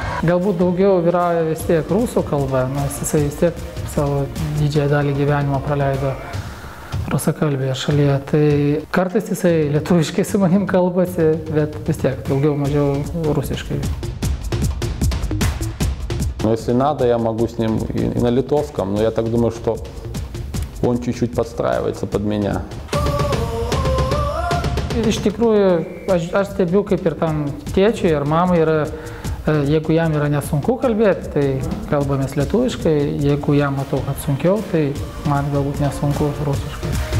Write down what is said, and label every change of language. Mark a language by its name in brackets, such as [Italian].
[Lithuanian] Galbūt daugiau vyrauja vis tiek rusų kalba, nes jisai vis tiek savo didžiąją dalį gyvenimo praleido rusakalbėje šalyje. Tai kartais jisai lietuviškai su manim kalbasi, bet vis tiek daugiau mažiau rusiškai. [Russian] Но если надо, я могу с ним и на литовском. Но я так думаю, что он чуть-чуть подстраивается под меня. [Lithuanian] Iš tikrųjų, aš stebiu, kaip ir tam tėčiui ar mamai yra, jeigu jam yra nesunku kalbėti, tai kalbamės lietuviškai. Jeigu jam matau, kad sunkiau, tai man galbūt nesunku rusiškai.